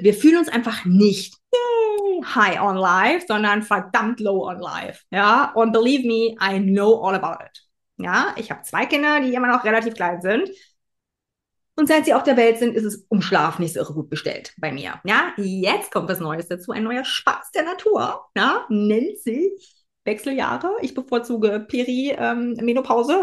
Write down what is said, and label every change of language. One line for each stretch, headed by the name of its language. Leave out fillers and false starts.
German: Wir fühlen uns einfach nicht
English: high on life,
German: sondern verdammt
English: low on life.
German: Ja, und
English: believe me, I know all about it.
German: Ja, ich habe zwei Kinder, die immer noch relativ klein sind. Und seit sie auf der Welt sind, ist es um Schlaf nicht so irre gut bestellt bei mir. Ja, jetzt kommt was Neues dazu, ein neuer Spaß der Natur. Ja, nennt sich Wechseljahre. Ich bevorzuge Perimenopause.